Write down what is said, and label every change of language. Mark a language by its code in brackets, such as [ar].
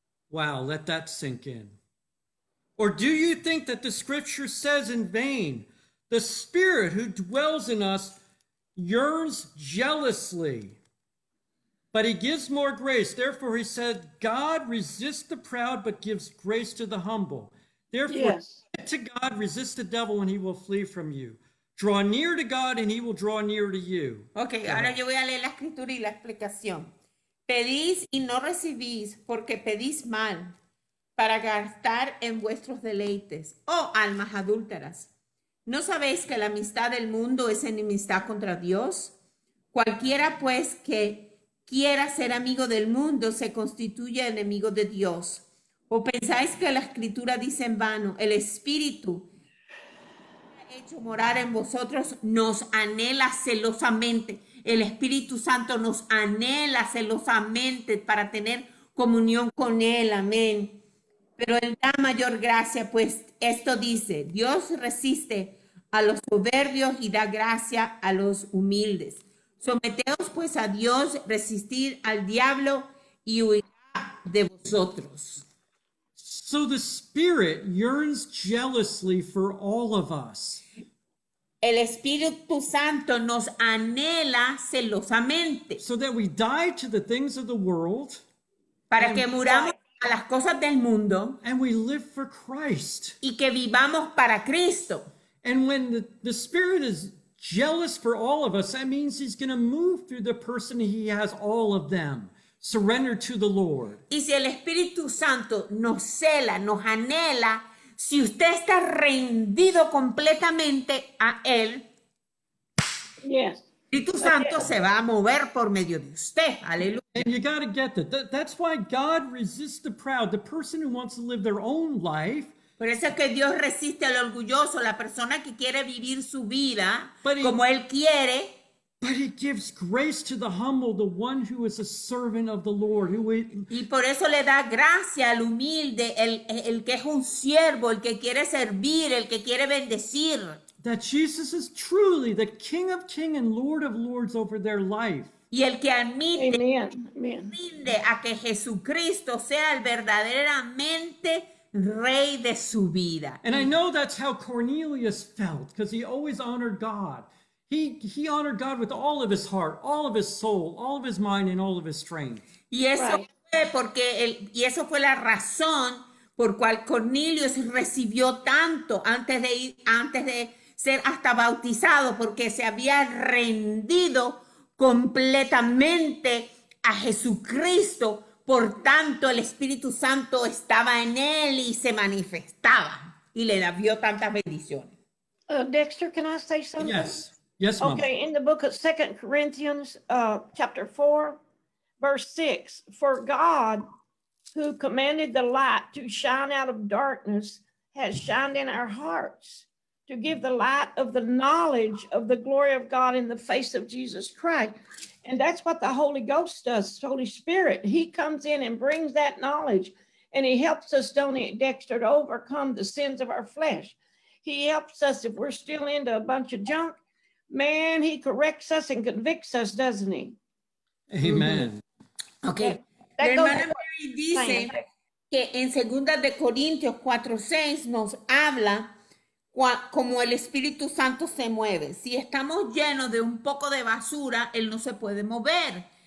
[en] Wow, let that sink in. Or do you think that the scripture says in vain, the Spirit who dwells in us yearns jealously, but he gives more grace. Therefore, he said, God resists the proud, but gives grace to the humble. Therefore, submit to God, resist the devil, and he will flee from you. Draw near to God, and he will draw near to you. [es] Okay, ahora yo voy a leer la escritura y la explicación. Pedís y no recibís, porque pedís mal, para gastar en vuestros deleites. Oh, almas adúlteras, ¿no sabéis que la amistad del mundo es enemistad contra Dios? Cualquiera, pues, que quiera ser amigo del mundo, se constituye enemigo de Dios. ¿O pensáis que la Escritura dice en vano, el Espíritu que ha hecho morar en vosotros nos anhela celosamente? El Espíritu Santo nos anhela celosamente para tener comunión con Él. Amén. Pero Él da mayor gracia, pues esto dice, Dios resiste a los soberbios y da gracia a los humildes. Someteos pues a Dios, resistid al diablo y huirá de vosotros. [en] So the Spirit yearns jealously for all of us. [es] El Espíritu Santo nos anhela celosamente. [en] So that we die to the things of the world. [es] Para que muramos a las cosas del mundo. [en] And we live for Christ. [es] Y que vivamos para Cristo. [en] And when the Spirit is jealous for all of us, that means he's going to move through the person he has all of them. Surrender to the Lord. [es] Y si el Espíritu Santo nos cela, nos anhela, Si usted está rendido completamente a él, [en] yes. [es] Espíritu Santo se va a mover por medio de usted. Aleluya. [en] And you got to get that. That's why God resists the proud, the person who wants to live their own life. [es] Por eso es que Dios resiste al orgulloso, la persona que quiere vivir su vida como él quiere. [en] But he gives grace to the humble, the one who is a servant of the Lord. [es] Y por eso le da gracia al humilde, el que es un siervo, el que quiere servir, el que quiere bendecir. [en] That Jesus is truly the King of Kings and Lord of Lords over their life. [es] Y el que admite, rinde a que Jesucristo sea el verdaderamente rey de su vida. [en] And I know that's how Cornelius felt, because he always honored God. He honored God with all of his heart, all of his soul, all of his mind, and all of his strength. [es] Y eso fue porque y eso fue la razón por cual Cornelius recibió tanto antes de ser hasta bautizado, porque se había rendido completamente a Jesucristo. Por tanto, el Espíritu Santo estaba en él y se manifestaba y le dio tantas bendiciones. [en] Dexter, can I say something? Yes. Yes, ma'am. Okay, in the book of 2 Corinthians, chapter 4, verse 6, for God, who commanded the light to shine out of darkness, has shined in our hearts to give the light of the knowledge of the glory of God in the face of Jesus Christ. And that's what the Holy Ghost does, Holy Spirit. He comes in and brings that knowledge, and he helps us, don't he, Dexter, to overcome the sins of our flesh. He helps us if we're still into a bunch of junk. Man, he corrects us and convicts us, doesn't he? Amen. Okay. Okay. [es] Hermana Mary dice que en 2 Corintios 4:6 nos habla como el Espíritu Santo se mueve. Si estamos llenos de un poco de basura, él no se puede mover.